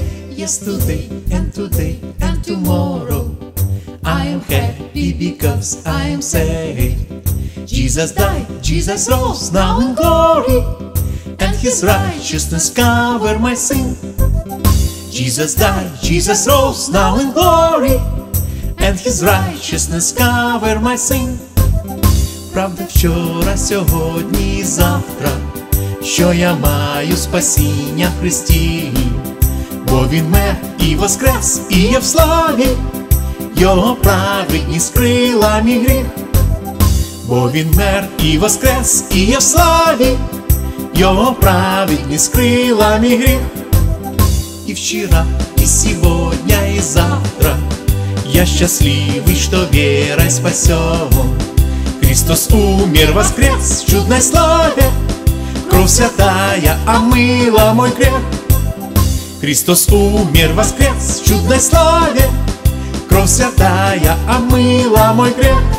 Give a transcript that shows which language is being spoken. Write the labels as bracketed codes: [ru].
[en] Yesterday and today and tomorrow, I am happy because I am saved. Jesus died, Jesus rose, now in glory, and His righteousness cover my sin. Jesus died, Jesus rose, now in glory, and His righteousness cover my sin. [uk] Правда, вчора, сьогодні і завтра, що я маю спасіння в Христі. Бо Він мер і воскрес, і є в славі, Його праведність крила мій гріх. Бо Він мер і воскрес, і є в славі, Його праведність крила мій гріх. І вчора, і сьогодні, і завтра, я щасливий, що вірой спасен. [ru] Христос умер, воскрес в чудной славе, кров святая омыла мой грех. Христос умер, воскрес в чудной славе, кров святая омыла мой грех.